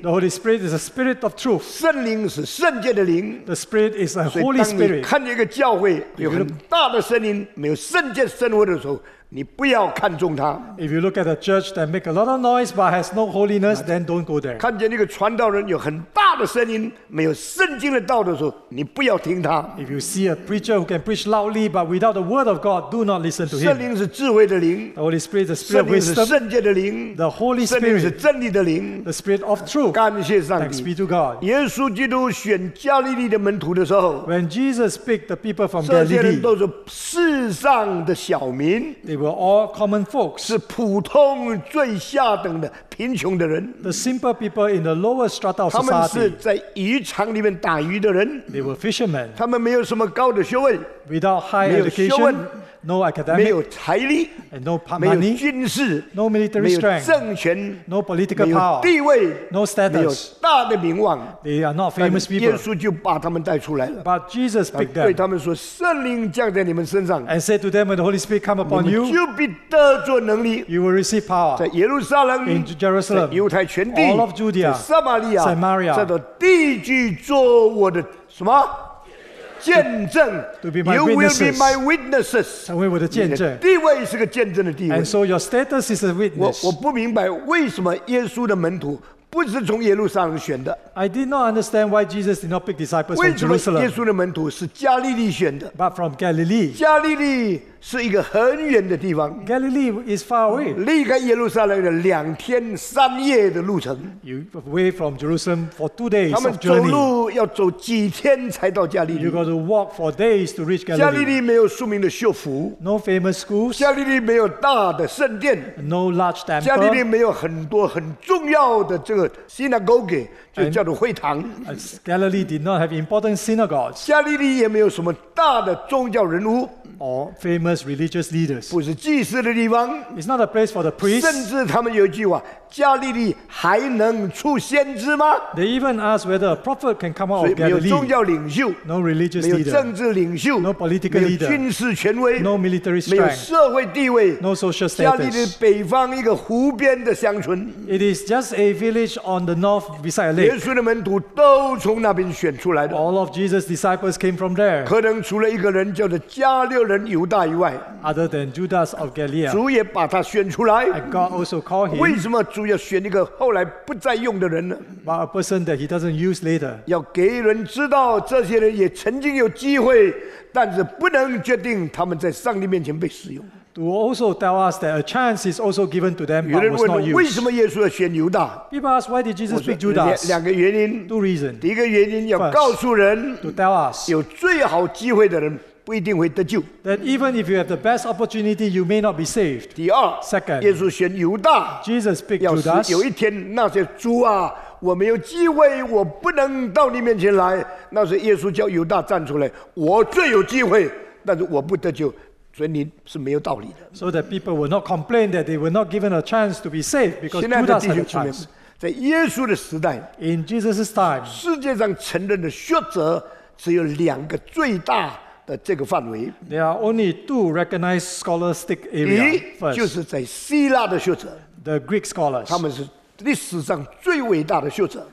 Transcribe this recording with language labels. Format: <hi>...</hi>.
<en>The Holy Spirit is the Spirit of Truth</en> <zh>圣灵是圣洁的灵</zh> <en>The Spirit is a Holy Spirit</en> <zh>看见一个教会有很大的声音没有圣洁生活的时候你不要看中它</zh> <en>If you look at a church that makes a lot of noise but has no holiness then don't go there</en> <zh>看见一个传道人有很大的声音没有圣经的道的时候你不要听他</zh> <en>If you see a preacher who can preach loudly but without the word of God do not listen to him</en> <zh>圣灵是智慧的灵</zh> <en>The Holy Spirit is the Spirit of wisdom</en> <zh>圣灵是圣洁的灵</zh> <en>The Holy Spirit</en> <zh>圣灵是真理的灵</zh> <en>The Spirit of truth</en> <zh>感谢上帝</zh> <en>Thanks be to God</en> <zh>耶稣基督选加利利的门徒的时候</zh> <en>When Jesus picked the people from Galilee</en> <zh>这些人都是世上的小民</zh> <en>They were all common folks</en> <zh>是普通最下等的贫穷的人</zh> <en>The simple people in the lower strata of society</en> <zh>他们是在渔场里面打鱼的人</zh> <en>They were fishermen</en> <zh>他们没有什么高的学位</zh> <en>Without high education no academic,</en> <zh>没有财力</zh> <en>and no money,</en> <zh>没有军事</zh> <en>no military strength,</en> <zh>没有政权</zh> <en>no political power,</en> <zh>没有地位</zh> <en>no status,</en> <zh>没有大的名望</zh> <en>they are not famous people,</en> <zh>耶稣就把他们带出来了</zh> <en>but Jesus picked them,</en> <zh>对他们说圣灵降在你们身上</zh> <en>and said to them when the Holy Spirit come upon you,</en> <zh>你们就必得着能力</zh> <en>you will receive power,</en> <zh>在耶路撒冷</zh> <en>in Jerusalem,</en> <zh>在犹太全地</zh> <en>all of Judea,</en> <zh>在撒玛利亚</zh> <en>Samaria,</en> <zh>在地居做我的什么见证</zh> <en>to be my witnesses, you will be my witnesses,</en> <zh>成为我的见证地位是个见证的地位</zh> <en>and so your status is a witness</en> <zh>我不明白为什么耶稣的门徒不是从耶路撒冷选的</zh> <en>I did not understand why Jesus did not pick disciples from Jerusalem</en> <zh>为什么耶稣的门徒是加利利选的</zh> <en>but from Galilee</en> <zh>加利利是一个很远的地方</zh> <en>Galilee is far away</en> <zh>离开耶路撒冷的两天三夜的路程</zh> <en>you away from Jerusalem for 2 days of journey</en> <zh>他们走路要走几天才到加利利</zh> <en>you got to walk for days to reach Galilee</en> <zh>加利利没有著名的秀福</zh> <en>no famous schools</en> <zh>加利利没有大的圣殿</zh> <en>no large temple</en> <zh>加利利没有很多很重要的这个 synagogue 就叫做会堂</zh> <en>Galilee did not have important synagogues</en> <zh>加利利也没有什么大的宗教人物</zh> <en>Or famous religious leaders.</en> <zh>不是祭司的地方。</zh> <en>It's not a place for the priests.</en> <zh>甚至他们有一句话，加利利还能出先知吗</zh> <en>？They even ask whether a prophet can come out of Galilee.</en> <zh>所以没有宗教领袖</zh> <en>，no religious</en> <zh>leader. 没有政治领袖</zh> <en>，no political leader.</en> <zh>没有军事权威</zh> <en>，no military strength.</en> <zh>没有社会地位</zh> <en>，no social status.</en> <zh>加利利北方一个湖边的乡村。</zh> <en>It is just a village on the north beside a lake.</en> <zh>耶稣的门徒都从那边选出来的。</zh> <en>All of Jesus' disciples came from there.</en> <zh>可能除了一个人叫做加略人犹大以外</zh> <en>，other than Judas of Galilee.</en> <zh>主也把他选出来。</zh> <en>And God also called him.</en> <zh>为什么？主要选一个后来不再用的人呢</zh> <en>But a person that he doesn't use later</en> <zh>要给人知道这些人也曾经有机会但是不能决定他们在上帝面前被使用</zh> <en>To also tell us that a chance is also given to them but was not used</en> <zh>有人问为什么耶稣要选犹大</zh> <en>People ask why did Jesus pick Judas</en> <zh>两个原因</zh> <en>Two reasons</en> <zh>第一个原因要告诉人</zh> <en>To tell us</en> <zh>有最好机会的人不一定会得救</zh> <en>That even if you have the best opportunity, you may not be saved.</en> <zh>第二</zh> <en>Second,</en> <zh>耶稣选犹大</zh> <en>Jesus picked Judas.</en> <zh>要是有一天那些猪啊我没有机会我不能到你面前来那是耶稣叫犹大站出来我最有机会但是我不得救所以你是没有道理的</zh> <en>So that people will not complain that they were not given a chance to be saved because Judas had a chance.</en> <zh>在耶稣的时代</zh> <en>In Jesus' time,</en> <zh>世界上承认的罪责只有两个最大的这个范围</zh> <en>There are only two recognized scholastic areas</en> <zh>第一就是在希腊的学者</zh> <en>The Greek scholars</en> <zh>他们是历史上最伟大的学者</zh>